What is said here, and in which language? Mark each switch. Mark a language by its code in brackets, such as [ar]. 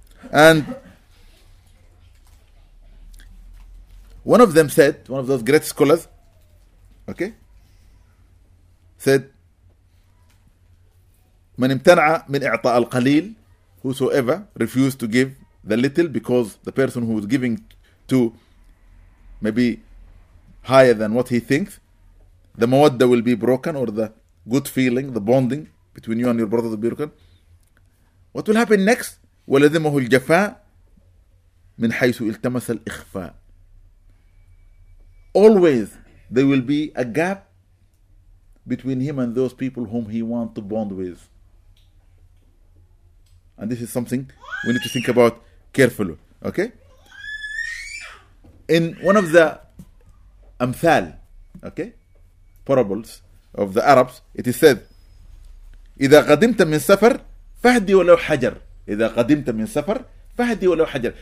[en] And one of them said, one of those great scholars, okay, said, [ar] من امتنع من اعطاء القليل, [en] whosoever refused to give the little, because the person who is giving to maybe higher than what he thinks, the mawadda will be broken, or the good feeling, the bonding between you and your brother will be broken. What will happen next? [ar] ولزمه الجفاء من حيث التمس الإخفاء. [en] Always there will be a gap between him and those people whom he wants to bond with. And this is something we need to think about carefully. Okay? In one of the amthal, okay, parables of the Arabs, it is said, [ar] إِذَا قَدِمْتَ مِنْ سَفَرْ فَهْدِي وَلَوْ حَجَرْ [en] إِذَا قَدِمْتَ مِنْ سَفَرْ فَهْدِي وَلَوْ حَجَرْ.